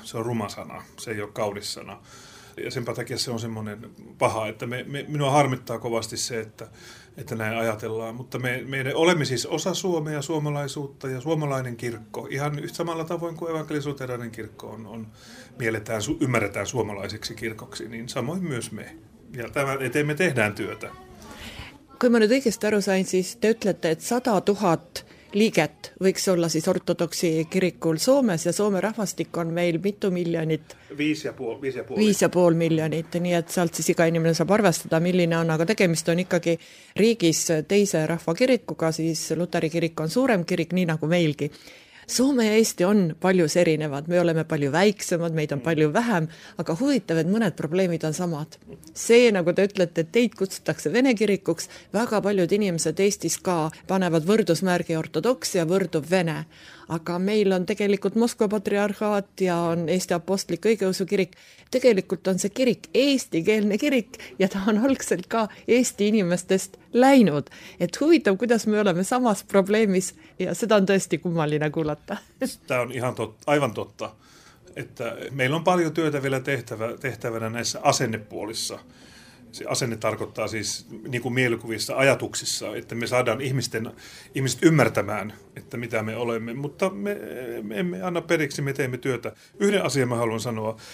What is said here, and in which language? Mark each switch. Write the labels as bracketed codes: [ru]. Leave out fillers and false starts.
[fi] Se on ruma sana, se ei ole kaunis sana. Ja senpä takia se on semmoinen paha, että minua harmittaa kovasti se, että näin ajatellaan. Mutta me olemme siis osa Suomea, suomalaisuutta ja suomalainen kirkko. Ihan yhtä samalla tavoin kuin evankelis-luterilainen kirkko on mielletään, ymmärretään suomalaiseksi kirkoksi, niin samoin myös me. Ja tämän eteen me tehdään työtä. Kun mä nyt oikeasti [et] aru sain, siis te ütlete, että 100 000 liiget võiks olla siis ortodoksi kirikul Soomes ja Soome rahvastik on meil mitu miljonit? 5,5 miljonit, nii et sealt siis iga inimene saab arvestada, milline on, aga tegemist on ikkagi riigis teise rahvakirikuga, siis Luteri kirik on suurem kirik, nii nagu meilgi. Soome ja Eesti on paljus erinevad, me oleme palju väiksemad, meid on palju vähem, aga huvitav, et mõned probleemid on samad. See, nagu te ütlete, et teid kutsutakse Vene kirikuks, väga paljud inimesed Eestis ka panevad võrdusmärgi ortodoksi ja võrdub Vene, aga meil on tegelikult Moskva patriarhaat ja on Eesti apostlik õigeusu kirik. Tegelikult on see kirik Eesti keelne kirik ja ta on algselt ka Eesti inimestest läinud. Et huvitav, kuidas me oleme samas probleemis ja seda on tõesti kummaline kuulata. [fi] Tämä on ihan aivan totta, että meillä on paljon työtä vielä tehtävänä näissä asennepuolissa. Se asenne tarkoittaa siis niin kuin mielikuvissa, ajatuksissa, että me saadaan ihmiset ymmärtämään, että mitä me olemme. Mutta me emme anna periksi, me teemme työtä. Yhden asian mä haluan sanoa.